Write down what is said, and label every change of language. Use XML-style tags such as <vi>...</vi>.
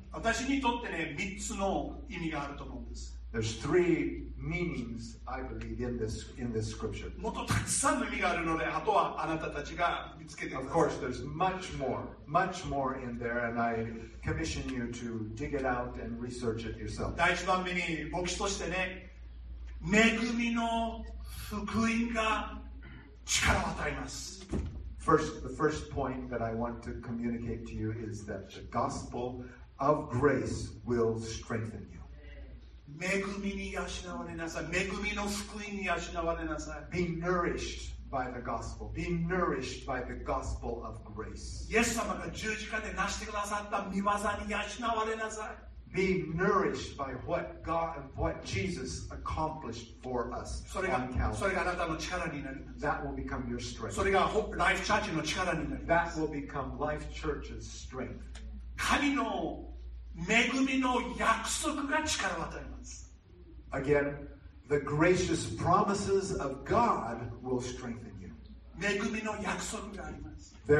<ja>私にとってね、3つの意味があると思うんです。</ja> <en>There's three meanings, I believe, in this scripture.</en> <ja>もっとたくさんの意味があるので、あとはあなたたちが見つけてください。</ja> <en>Of course, there's much more in there, and I commission you to dig it out and research it yourself.</en> <ja>第一番目に、牧師としてね、恵みの福音が力を与えます。</ja> <en>The first point that I want to communicate to you is that the gospel of grace will strengthen you.</en> <ja>恵みに養われなさい。恵みの福音に養われなさい。</ja> <en>Be nourished by the gospel. Be nourished by the gospel of grace.</en> <ja>イエス様が十字架で成してくださった御業に養われなさい。</ja> <en>Be nourished by what God, what Jesus accomplished for us on Calvary.</en> <ja>それがあなたの力になります。</ja> <en>That will become your strength.</en> <ja>それがLife Churchの力になります。</ja> <en>That will become Life Church's strength.</en> <ja>神の恵みの約束が力を与えます。</ja> <en>Again, the gracious promises of God will strengthen you.</en> <ja>恵みの約束があります。</ja>